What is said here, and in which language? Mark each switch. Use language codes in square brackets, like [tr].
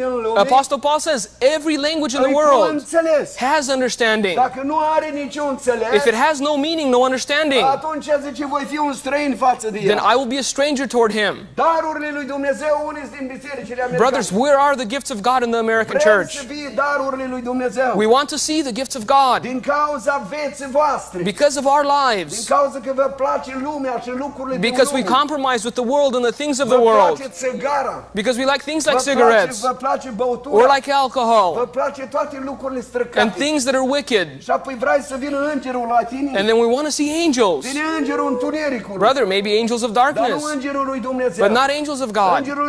[en] Apostle Paul says every language in the world has understanding. [ro] Dacă nu are nicio înțeles, [en] if it has no meaning, no understanding, [ro] atunci, zice, voi fi un străin față de el. [en] Then I will be a stranger toward him. [ro] Darurile lui Dumnezeu, unii din bisericile americane. [en] Brothers, where are the gifts of God in the American [ro] Vrem [en] church? [ro] Să fie darurile lui Dumnezeu. [en] We want to see the gifts of God. [ro] Din cauza vieții voastre. [en] Because of our lives. [ro] Din cauza că vă place lumea și lucrurile din [en] because [ro] lume. [en] We compromise with the world and the things of the world. Because we like things like cigarettes or like alcohol and things that are wicked. And then we want to see angels. Brother, maybe angels of darkness, but not angels of God.